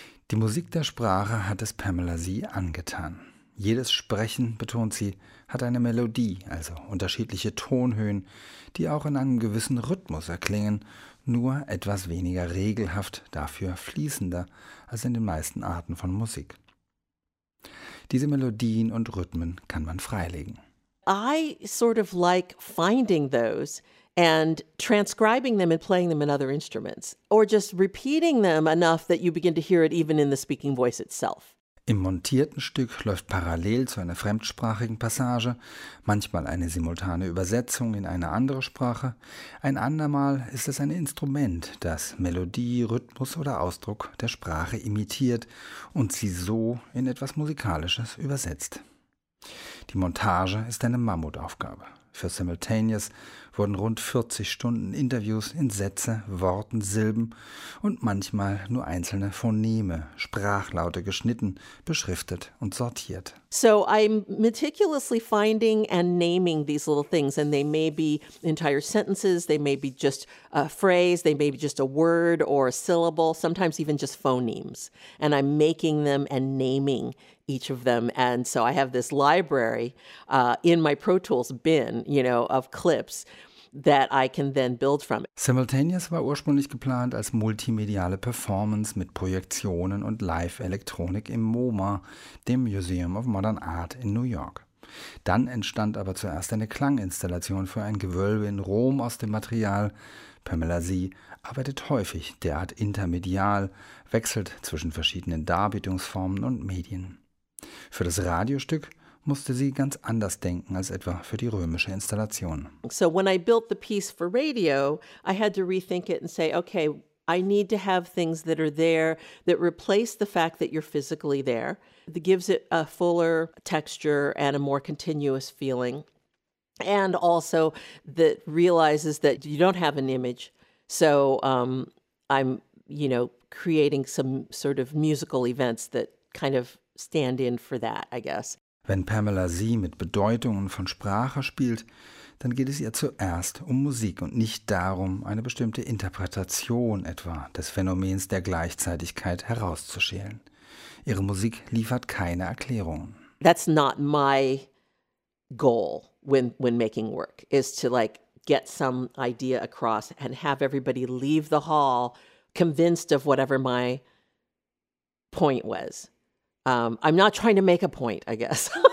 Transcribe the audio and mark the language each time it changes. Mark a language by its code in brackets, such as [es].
[de] Die Musik der Sprache hat es Pamela Sie angetan. Jedes Sprechen, betont sie, hat eine Melodie, also unterschiedliche Tonhöhen, die auch in einem gewissen Rhythmus erklingen, nur etwas weniger regelhaft, dafür fließender als in den meisten Arten von Musik. Diese Melodien und Rhythmen kann man freilegen. [en] I sort of like finding those and transcribing them and playing them in other instruments or just repeating them enough that you begin to hear it even in the speaking voice itself. [de] Im montierten Stück läuft parallel zu einer fremdsprachigen Passage, manchmal eine simultane Übersetzung in eine andere Sprache, ein andermal ist es ein Instrument, das Melodie, Rhythmus oder Ausdruck der Sprache imitiert und sie so in etwas Musikalisches übersetzt. Die Montage ist eine Mammutaufgabe. Für Simultaneous wurden rund 40 Stunden Interviews in Sätze, Worten, Silben und manchmal nur einzelne Phoneme, Sprachlaute geschnitten, beschriftet und sortiert. [en] So I'm meticulously finding and naming these little things, and they may be entire sentences, they may be just a phrase, they may be just a word or a syllable, sometimes even just phonemes. And I'm making them and naming each of them. And so I have this library in my Pro Tools bin, you know, of clips that I can then build from. [de] Simultaneous war ursprünglich geplant als multimediale Performance mit Projektionen und Live-Elektronik im MoMA, dem Museum of Modern Art in New York. Dann entstand aber zuerst eine Klanginstallation für ein Gewölbe in Rom aus dem Material. Pamela Sie arbeitet häufig, derart intermedial, wechselt zwischen verschiedenen Darbietungsformen und Medien. Für das Radiostück musste sie ganz anders denken als etwa für die römische Installation. [en] So when I built the piece for radio, I had to rethink it and say, okay, I need to have things that are there that replace the fact that you're physically there. That gives it a fuller texture and a more continuous feeling. And also that realizes that you don't have an image. So I'm, you know, creating some sort of musical events that kind of stand in for that, I guess. [de] Wenn Pamela Sie mit Bedeutungen von Sprache spielt, dann geht es ihr zuerst um Musik und nicht darum, eine bestimmte Interpretation etwa des Phänomens der Gleichzeitigkeit herauszuschälen. Ihre Musik liefert keine Erklärungen. [en] That's not my goal when making work, is to like get some idea across and have everybody leave the hall convinced of whatever my point was. I'm not trying to make a point, I guess.